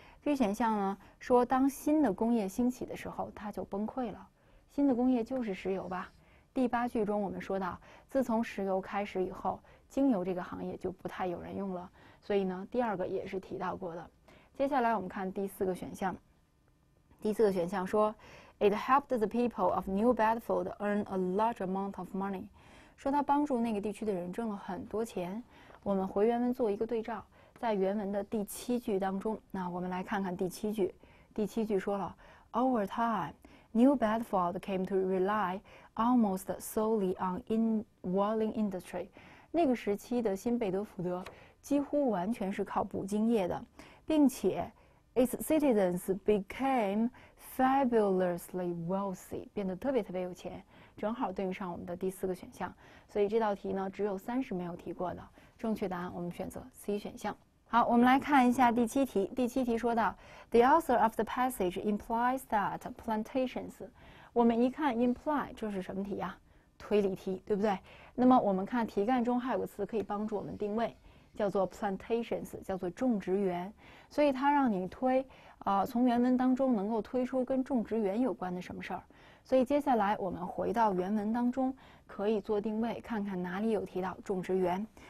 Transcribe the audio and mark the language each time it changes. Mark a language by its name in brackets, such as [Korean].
[Chinese] B 选项呢说当新的工业兴起的时候，它就崩溃了。新的工业就是石油吧？第八句中我们说到，自从石油开始以后，经由这个行业就不太有人用了，所以呢，第二个也是提到过的。接下来我们看第四个选项。 [English] 第四个选项说，It helped the people of New Bedford earn a large amount of money， [Chinese] 说它帮助那个地区的人挣了很多钱。我们回原文做一个对照，在原文的第七句当中，那我们来看看第七句。第七句说了， [English] Over time, New Bedford came to rely almost solely on in whaling industry。 [Chinese] 那个时期的新贝德福德几乎完全是靠捕鲸业的，并且 [English] its citizens became fabulously wealthy， [Chinese] 变得特别特别有钱，正好对应上我们的第四个选项。所以这道题呢，只有30没有提过的，正确答案我们选择 C 选项。好，我们来看一下第七题。第七题说到， [English] The author of the passage implies that plantations， [Chinese] 我们一看 imply 这是什么题呀？推理题，对不对？那么我们看题干中还有个词可以帮助我们定位，叫做 plantations，叫做种植园。所以它让你推，从原文当中能够推出跟种植园有关的什么事儿。所以接下来我们回到原文当中，可以做定位，看看哪里有提到种植园。